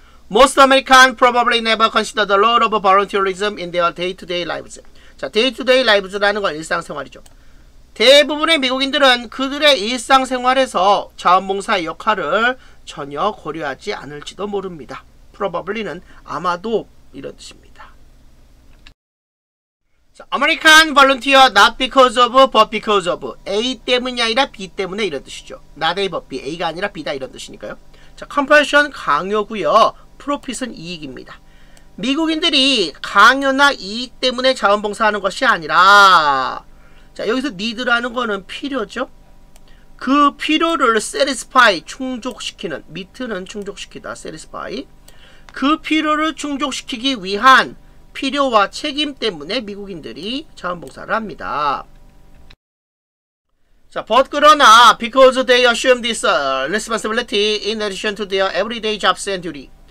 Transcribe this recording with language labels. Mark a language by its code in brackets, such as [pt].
[en] Most Americans probably never consider the role of volunteerism in their day-to-day lives. [ko] 자, [en] day-to-day lives [ko] 라는 건 일상생활이죠. 대부분의 미국인들은 그들의 일상생활에서 자원봉사의 역할을 전혀 고려하지 않을지도 모릅니다. Probably는 아마도 이런 뜻입니다. [en] American volunteer not because of but because of. [ko] A 때문이 아니라 B 때문에 이런 뜻이죠. [en] Not A but B. [ko] A가 아니라 B다 이런 뜻이니까요. 자, compulsion 강요고요. Profit은 이익입니다. 미국인들이 강요나 이익 때문에 자원봉사하는 것이 아니라 자, 여기서 need라는 거는 필요죠. 그 필요를 satisfy, 충족시키는, meet는 충족시키다, satisfy. 그 필요를 충족시키기 위한 필요와 책임 때문에 미국인들이 자원봉사를 합니다. [en] 자, but [ko] 그러나, [en] because they assume this responsibility in addition to their everyday jobs and duty.